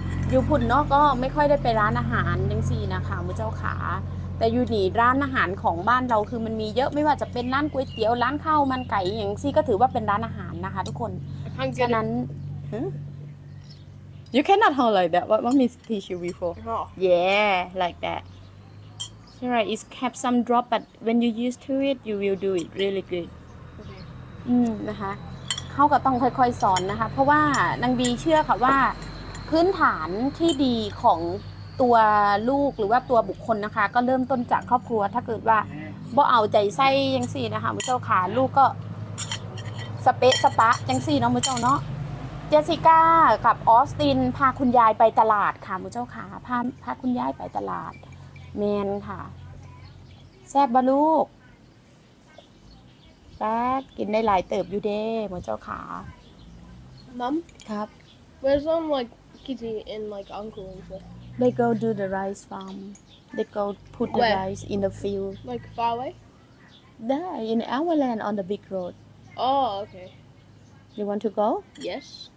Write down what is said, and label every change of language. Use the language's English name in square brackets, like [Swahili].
[Thai] อยู่พุ่นเนาะก็ไม่ค่อยได้ไปร้านอาหารจังซี่นะคะมื้อเจ้าขาแต่อยู่หนีร้านอาหารของบ้านเราคือมันมีเยอะไม่ว่าจะเป็นร้านก๋วยเตี๋ยวร้านข้าวมันไก่อย่างซี่ก็ถือว่าเป็นร้านอาหารนะคะทุกคนฉะนั้น [English] You cannot hold like that what mommy teach you before oh. Yeah like that so right it's kept some drop but when you used to it you will do it really good okay. [Thai] นะคะเขาก็ต้องค่อยๆสอนนะคะเพราะว่านางบีเชื่อค่ะว่าพื้นฐานที่ดีของตัวลูกหรือว่าตัวบุคคลนะคะก็เริ่มต้นจากครอบครัวถ้าเกิดว่าบ่เอาใจใส่ยังสี่นะคะมือเจ้าขาลูกก็ สเปะสปะยังสี่เนาะมือเจ้าเนาะเจสสิก้ากับออสตินพาคุณยายไปตลาดค่ะมือเจ้าขาพาคุณยายไปตลาดแมนค่ะแซ่บบ่ลูกแซ่บกินได้หลายเติบอยู่เด้มือเจ้าขามัม ครับ [English] Where's on likeKitty and like uncle and stuff. They go do the rice farm. They go put the rice in the field. Like far away? There, in our land on the big road. Oh, okay. You want to go? Yes.